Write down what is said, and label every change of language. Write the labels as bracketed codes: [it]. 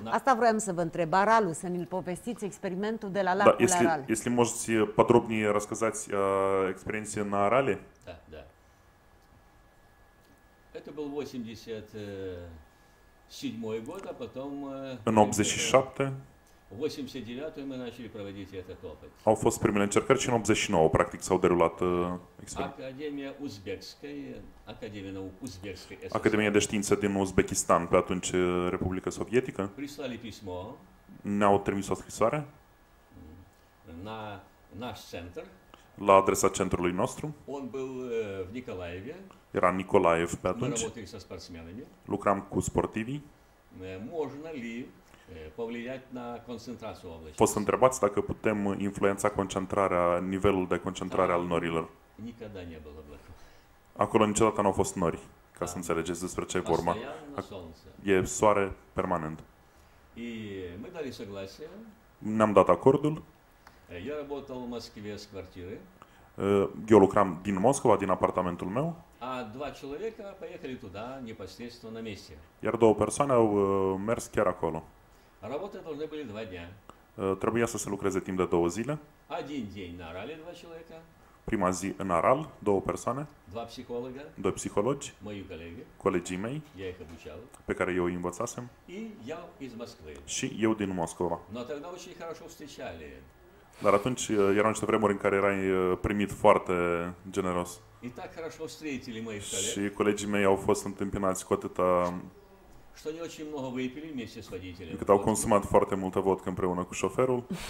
[ro] Asta vroiam să vă întreb, Aralu, să ne-l povestiți experimentul de la lacul Aral. Da, este [ru] можете подробнее рассказать о experiențe на Арале? [ro] Da, da. [ru] Это был 87-й год, а потом... [ro] În 87. [ru] 89-й мы начали проводить этот опыт. [ro] Au fost primele încercări și în 89, practic, s-au derulat experimente. [ru] Академия Узбекская, Академия наук Узбекской СССР. [ro] Академия de știință din Uzbekistan, pe atunci Republica Sovietică. [ru] Прислали письмо. [ro] Ne-au trimis o scrisoare. [ru] На наш центр. [ro] La adresa centrului nostru. [ru] Он был в Николаеве. [ro] Era Nicolaev pe atunci. [ru] Мы работали со спортсменами. [ro] Lucram cu sportivii. [ru] Можно ли повлиять на концентрацию облачности. [ro] Poți să întrebați dacă putem influența concentrarea, nivelul de concentrare al norilor. [ru] Никогда не было облаков. [ro] Acolo niciodată n-au fost nori, ca să înțelegeți despre ce e vorba. E soare permanent. [ru] И мы дали согласие. [ro] Ne-am dat acordul. [ru] Я работал в Москве с квартиры. [ro] Eu lucram din Moscova, din apartamentul meu. [ru] А два человека поехали туда непосредственно на месте. [ro] Iar două persoane au mers chiar acolo. [ru] Работа должны были два дня. [ro] Trebuia să se lucreze timp de două zile. [ru] Один день на Арале два человека. [ro] Prima zi în Aral, două persoane. [ru] Два психолога. [ro] Doi psihologi. [ru] Мои коллеги. [ro] Colegii mei. [ru] Я их обучал. [ro] Pe care eu îi învățasem. [ru] И я из Москвы. [ro] Și eu din Moscova. [ru] Но тогда очень хорошо встречали. [ro] Dar atunci erau niște vremuri în care erai primit foarte generos. [ru] И так хорошо встретили мои коллеги. [ro] Și colegii mei au fost întâmpinați cu atâta... [ru] Что не очень много выпили вместе с водителем. [ro] Когда он консумат foarte multă vodka împreună cu șoferul.